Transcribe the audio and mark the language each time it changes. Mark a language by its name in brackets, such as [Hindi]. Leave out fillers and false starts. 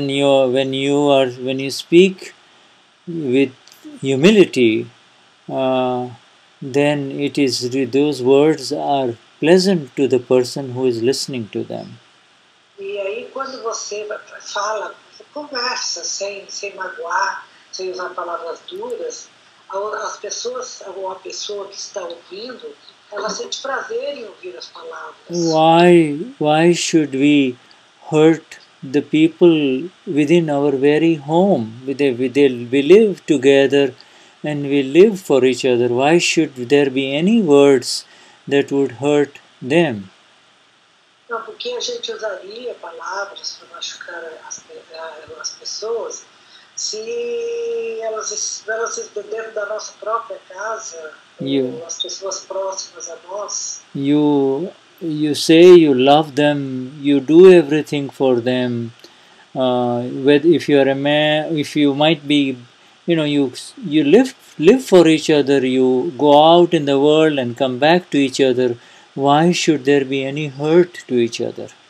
[English] When you speak with humility, then it is those words are pleasant to the person who is listening to them. [Portuguese] E aí quando você fala, você conversa sem magoar, sem usar palavras duras, a pessoa que está ouvindo, ela sente prazer em ouvir as palavras. [English] Why should we hurt the people within our very home? We live together and we live for each other. Why should there be any words that would hurt them? [Portuguese] Não, porque a gente usaria palavras para machucar as pessoas se elas dentro da nossa própria casa, you, as pessoas próximas a nós. [English] You say you love them, you do everything for them. If you are a man, if you might be, you know, you live for each other, you go out in the world and come back to each other, why should there be any hurt to each other?